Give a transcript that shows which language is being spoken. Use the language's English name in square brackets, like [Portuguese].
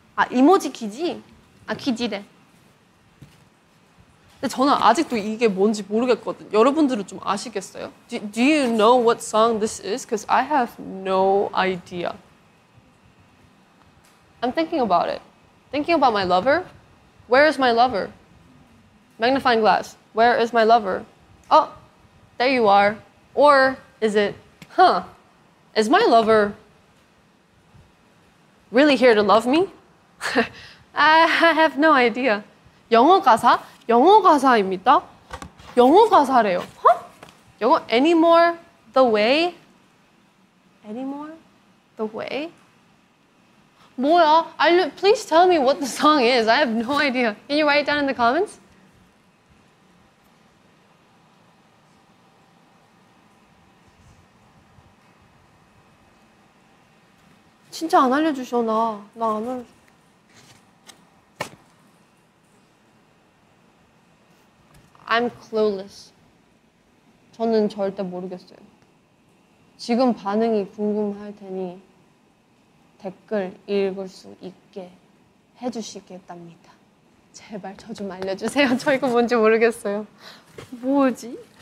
[Korean] 이모지 기지? 기지래. 근데 저는 아직도 이게 뭔지 모르겠거든. 여러분들은 좀 아시겠어요? [English] Do you know what song this is? Because I have no idea. I'm thinking about it. Thinking about my lover? Where is my lover? Magnifying glass. Where is my lover? Oh, there you are. Or is it, is my lover really here to love me? I have no idea. [Korean] 영어 가사? 영어 가사입니다. 영어 가사래요. 영어 [English] anymore the way? Anymore the way? [Korean] 뭐야? [English] Please tell me what the song is. I have no idea. Can you write it down in the comments? [Korean] 진짜 안 알려주셔, 나. 나 안 알려줘. 알려주... [English] I'm clueless. [Korean] 저는 절대 모르겠어요. 지금 반응이 궁금할 테니 댓글 읽을 수 있게 해주시겠답니다. 제발 저 좀 알려주세요. 저 이거 뭔지 모르겠어요. 뭐지?